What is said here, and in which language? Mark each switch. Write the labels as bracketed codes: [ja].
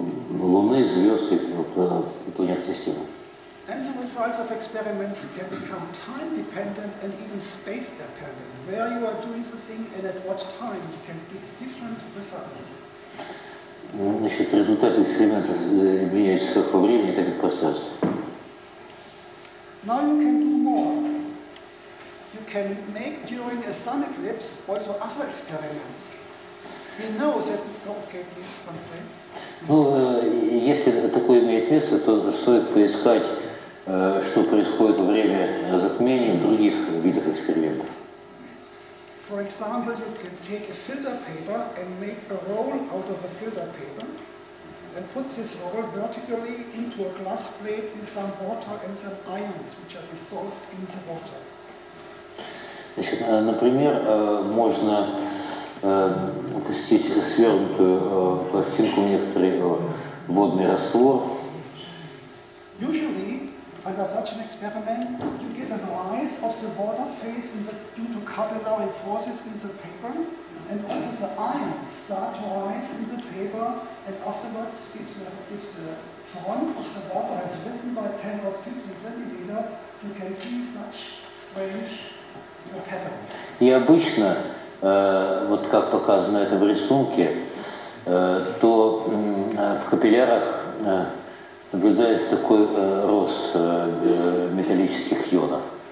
[ru] Луны, звезд и планет системы. [en] And the results of experiments can become time-dependent and even space-dependent. Where you are doing the thing and at what time, you can get different results. [ru] Значит, результаты эксперимента меняются как во времени, так и в пространстве. [en] Now you can do more. You can make during a sun eclipse also other experiments. You know that... Okay, please, constraint. [ru] Ну, если такое имеет место, то стоит поискать, что происходит во время затмений в других видах экспериментов. [en] For example, you can take a filter paper and make a roll out of a filter paper and put this roll vertically into a glass plate with some water and some ions, which are dissolved in the water. [ru] Значит, например, можно пустить свернутую пластинку в некоторый водный раствор. [en] Usually, under such an experiment, you get a rise of the water phase in the, due to capillary forces in the paper, and also the ions start to rise in the paper, and afterwards, if the front of the water has risen by 10 or 15 centimeters, you can see such strange patterns. [ru] И обычно, вот как показано это в рисунке, то в капиллярах наблюдается такой рост металлических ионов.